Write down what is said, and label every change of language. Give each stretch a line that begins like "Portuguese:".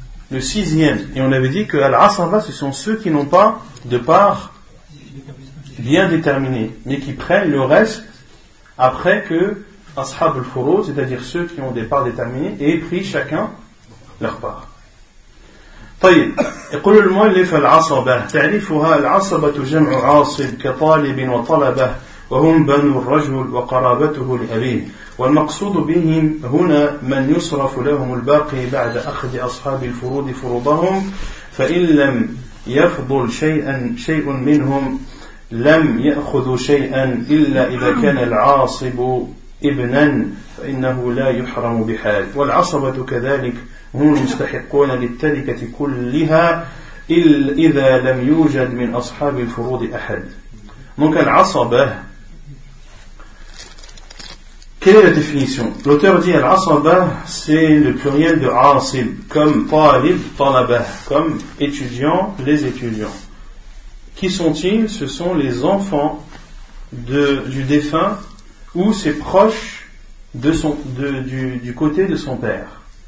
French: le sixième, et on avait dit que Al-Asaba, ce sont ceux qui n'ont pas de part bien déterminée, mais qui prennent le reste après que Ashab al-Furu, c'est-à-dire ceux qui ont des parts déterminées, aient pris chacun leur part.
Arabic: طيب, يقول المؤلف العصبة تعريفها العصبة جمع عاصب كطالب وطلبة وهم بنو الرجل وقرابته لأبيه والمقصود بهم هنا من يصرف لهم الباقي بعد أخذ أصحاب الفروض فروضهم فإن لم يفضل شيء منهم لم يأخذوا شيئا إلا إذا كان العاصب ابنا فإنه لا يحرم بحال والعصبة كذلك هم المستحقون للتركة كلها إلا إذا لم يوجد من أصحاب الفروض أحد
French: donc
Arabic: العصبة.
French: Quelle est la définition ? L'auteur dit Al-Asaba, c'est le pluriel de Asib, comme Talib, Talaba, comme étudiant, les étudiants. Qui sont-ils ? Ce sont les enfants du défunt ou ses proches du côté de son père.